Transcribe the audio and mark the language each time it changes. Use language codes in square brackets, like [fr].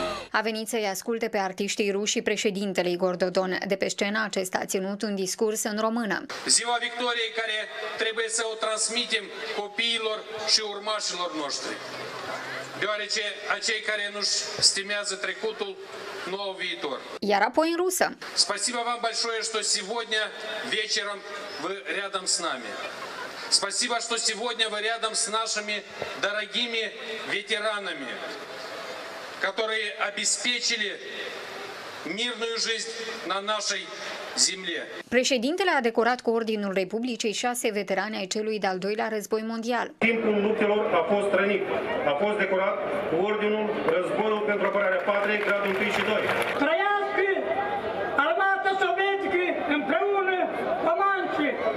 [ro] A venit să-i asculte pe artiștii ruși președintele Igor Dodon. De pe scenă acesta a ținut un discurs în română. Ziua victoriei care trebuie să o transmitem copiilor și urmașilor noștri. Deoarece acei care nu-și stimează trecutul, nu au viitor. Iar apoi în rusă. [ru] Спасибо вам большое, что сегодня вечером вы рядом с нами. Спасибо, что сегодня вы рядом с нашими дорогими ветеранами, которые обеспечили мирную жизнь на нашей земле. [ro] Președintele a decorat cu Ordinul Republicii 6 veterani ai celui de-al doilea război mondial. Timpul luptelor a fost rănit. A fost decorat cu Ordinul Războiul pentru Apărarea Patriei, gradul 1 și 2. Trăiască armata sovietică împreună comanții!